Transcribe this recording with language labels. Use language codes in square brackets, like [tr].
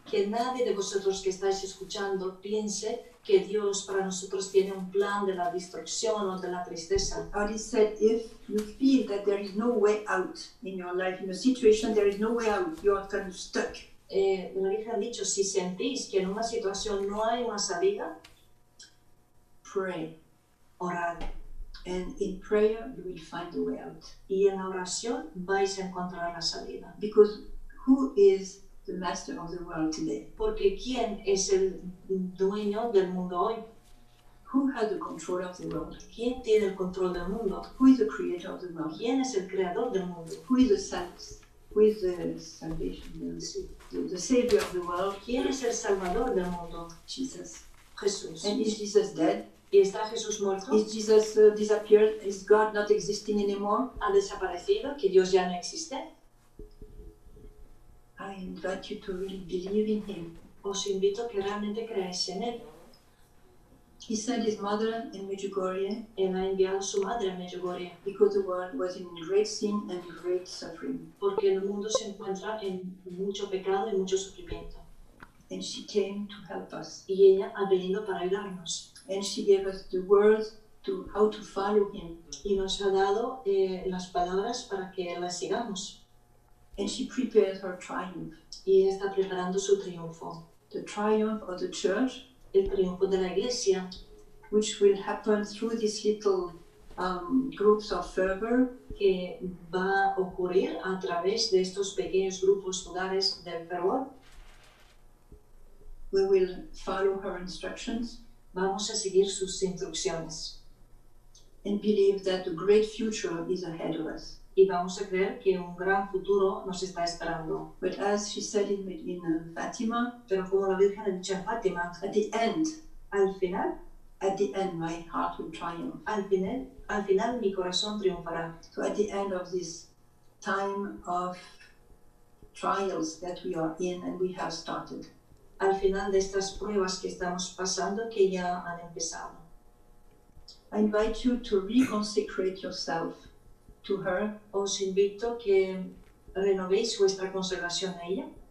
[es] Que nadie de vosotros que estáis escuchando piense que Dios para nosotros tiene un plan de la destrucción o de la tristeza. [en] But he said, if you feel that there is no way out in your life, in a situation there is no way out, you are kind of stuck. [es] Ha dicho, si sentís que en una situación no hay una salida, [en] pray, [es] orad. [en] And in prayer you will find the way out. [es] Y en la oración vais a encontrar la salida. [en] Because who is the master of the world today? [es] Porque ¿quién es el dueño del mundo hoy? [en] Who has the control of the world? [es] ¿Quién tiene el control del mundo? [en] Who is the creator of the world? [es] ¿Quién es el creador del mundo? [en] Who is the salvation, the savior of the world? [es] ¿Quién es el salvador del mundo? [en] Jesus. [es] Jesús. [en] And is Jesus dead? [es] ¿Y está Jesús muerto? [en] Is Jesus disappeared? Is God not existing anymore? [es] ¿Ha desaparecido? ¿Que Dios ya no existe? [en] I invite you to really believe in him. [es] Os invito a que realmente creáis en él. [en] He sent his mother in Medjugorje. [es] Él ha enviado su madre a Medjugorje. [en] Because the world was in great sin and great suffering. [es] Porque el mundo se encuentra en mucho pecado y mucho sufrimiento. [en] And she came to help us. [es] Y ella ha venido para ayudarnos. [en] And she gave us the words to how to follow him. [es] Y nos ha dado las palabras para que la sigamos. [en] And she prepares her triumph. [es] Y está preparando su triunfo. [en] The triumph of the church. [es] El triunfo de la iglesia. [en] Which will happen through these little groups of fervor. [es] Que va a ocurrir a través de estos pequeños grupos, lugares de fervor. [en] We will follow her instructions. [es] Vamos a seguir sus instrucciones. [en] And believe that the great future is ahead of us. [es] Y vamos a creer que un gran futuro nos está esperando. [en] But as she said in Fatima, [es] pero como la Virgen ha dicho en Fátima, [en] at the end, [es] al final, [en] at the end my heart will triumph. [es] Al final mi corazón triunfará. [en] So at the end of this time of trials that we are in and we have started. [es] Al final de estas pruebas que estamos pasando que ya han empezado. [en] I invite you to reconsecrate yourself. To her, [es] os invito que renovéis vuestra consagración a ella,